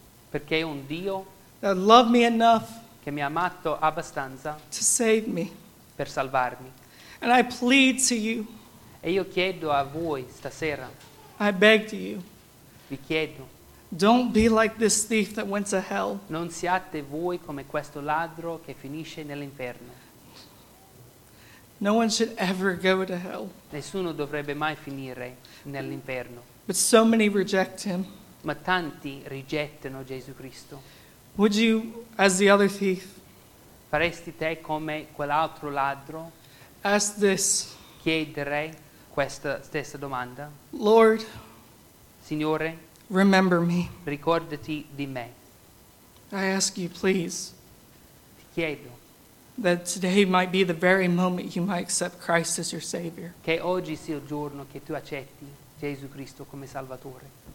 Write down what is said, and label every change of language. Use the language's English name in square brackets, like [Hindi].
[Italian] Perché ho un Dio [English] that loved me enough [Italian] che mi ha amato abbastanza [English] to save me. [Italian] Per salvarmi. [English] And I plead to you. [Italian] E io chiedo a voi stasera. [English] I beg to you. [Italian] Vi chiedo. [English] Don't be like this thief that went to hell. [Italian] Non siate voi come questo ladro che finisce nell'inferno. [English] No one should ever go to hell. [Italian] Nessuno dovrebbe mai finire nell'inferno. [English] But so many reject him. [Italian] Ma tanti rigettano Gesù Cristo. [English] Would you, as the other thief, [Italian] faresti te come quell'altro ladro? [English] Ask this. [Italian] Chiederei questa stessa domanda. [English] Lord, [Italian] Signore, [English] remember me. [Italian] Ricordati di me. [English] I ask you, please. [Italian] Ti chiedo. [English] That today might be the very moment you might accept Christ as your Savior. [Italian] Che oggi sia il giorno che tu accetti Gesù Cristo come Salvatore.